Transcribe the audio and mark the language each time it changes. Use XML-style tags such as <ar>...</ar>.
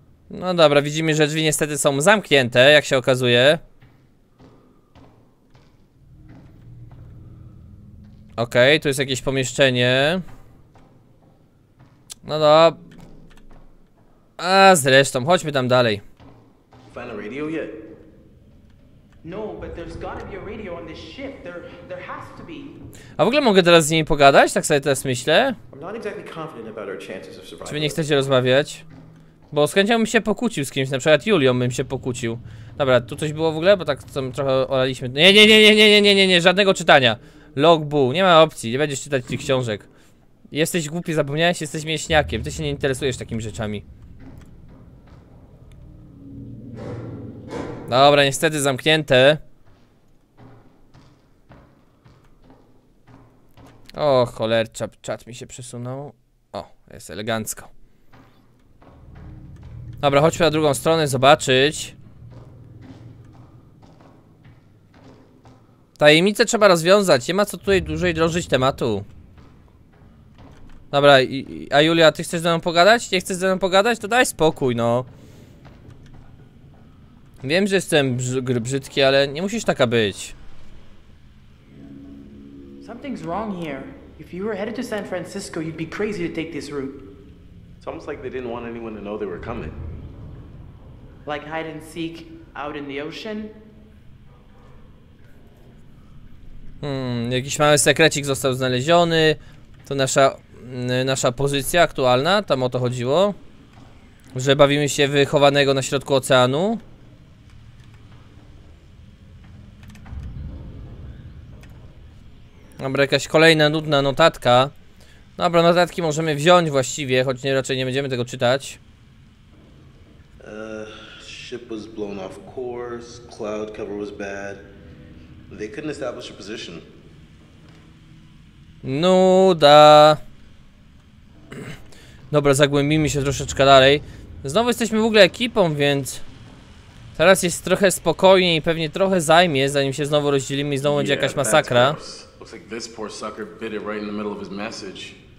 <pl>No dobra, widzimy, że drzwi niestety są zamknięte, jak się okazuje. Okej, tu jest jakieś pomieszczenie. No dobra. A zresztą, chodźmy tam dalej.</pl> <en>Find a radio yet? No, but there's gotta be a radio on this ship. There has to be.</en> <pl>A w ogóle mogę teraz z nimi pogadać? Tak sobie teraz myślę.</pl> <en>I'm not exactly confident about our chances of survival.</en> <pl>Czy wy nie chcecie rozmawiać? Bo z chęcią bym się pokłócił z kimś, na przykład Julią bym się pokłócił. Dobra, tu coś było w ogóle? Bo tak tam trochę olaliśmy. Nie, żadnego czytania. Logbook, nie ma opcji, nie będziesz czytać tych książek. Jesteś głupi, zapomniałeś, jesteś mięśniakiem, ty się nie interesujesz takimi rzeczami. Dobra, niestety zamknięte. O, cholercza, czat mi się przesunął. O, jest elegancko. Dobra, chodźmy na drugą stronę zobaczyć. Tajemnicę trzeba rozwiązać, nie ma co tutaj dłużej drążyć tematu. Dobra, a Julia, ty chcesz ze mną pogadać? Nie chcesz ze mną pogadać? To daj spokój, no. Wiem, że jestem brzydki, ale nie musisz taka być.</pl> <en>Something's wrong here. If you were headed to San Francisco, you'd be crazy to take this route. It's almost like they didn't want anyone to know they were coming. Like hide and seek out in the ocean?</en> <pl>Jakiś mały sekrecik został znaleziony. To nasza pozycja aktualna, tam o to chodziło. Że bawimy się wychowanego na środku oceanu. Dobra, jakaś kolejna nudna notatka. Dobra, notatki możemy wziąć właściwie, choć nie, raczej nie będziemy tego czytać.</pl> <en>Ship was blown off course, cloud cover was bad. They couldn't establish a position.</en> <pl>Nuda. Dobra, zagłębimy się troszeczkę dalej. Znowu jesteśmy w ogóle ekipą, więc teraz jest trochę spokojniej i pewnie trochę zajmie, zanim się znowu rozdzielimy i znowu będzie jakaś masakra.</pl> <en>Looks like this poor sucker bit it right in the middle of his message.</en>